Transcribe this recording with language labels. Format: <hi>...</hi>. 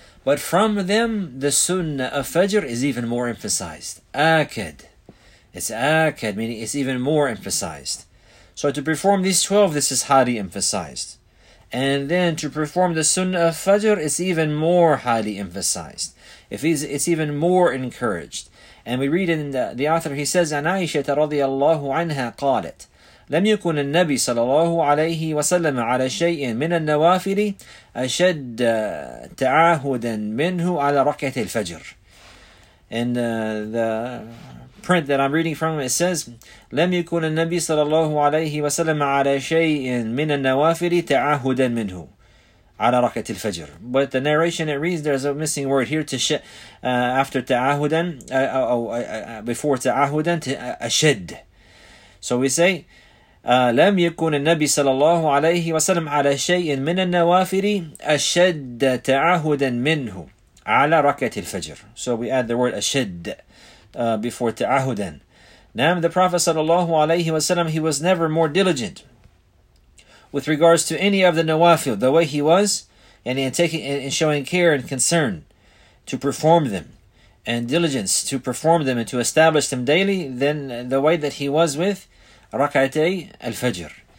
<en>But from them, the sunnah of Fajr is even more emphasized. Akad. It's akad, meaning it's even more emphasized. So to perform these 12, this is highly emphasized. And then to perform the sunnah of Fajr, it's even more highly emphasized. It's even more encouraged. And we read in the author, he says,</en> <ar>عن عائشة رضي الله عنها قالت لم يكن النبي صلى الله عليه وسلم على شيء من النوافل أشد تعاهدا منه على ركعة الفجر.</ar> <en>And the print that I'm reading from, it says,</en> <ar>لم يكن النبي صلى الله عليه وسلم على شيء من النوافل تعاهدا منه على ركعة الفجر.</ar> <en>But the narration, it reads, there's a missing word here, to after تعاهدا, before تعاهدا, أشد. So we say,</en> <ar>لم يكن النبي صلى الله عليه وسلم على شيء من النوافل أشد تعهدا منه على ركعة الفجر.</ar> <en>So we add the word أشد before تعهدا. Now the Prophet</en> <ar>صلى الله عليه وسلم,</ar> <en>he was never more diligent with regards to any of the nawafil the way he was, and in taking and showing care and concern to perform them, and diligence to perform them and to establish them daily, than the way that he was with Rakatay al-Fajr.</en>